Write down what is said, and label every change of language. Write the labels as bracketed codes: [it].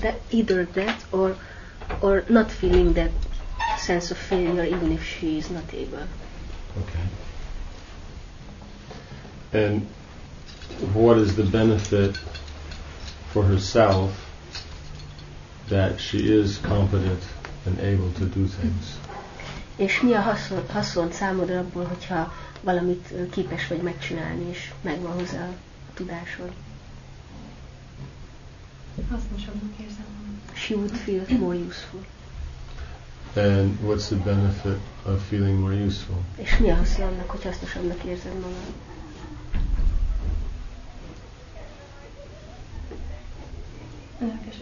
[en] Either that, or not feeling that sense of failure, even if she is not able. Okay. And what is the benefit for herself that she is competent and able to do things? [hu] És mi a haszon számodra abból, hogyha valamit képes vagy megcsinálni, és megvan hozzá a tudásod? Hasznosabbnak érzem. [en] She would feel more useful. And what's the benefit of feeling more useful? [hu] És mi a haszon annak, hogy hasznosabbnak érzem magam?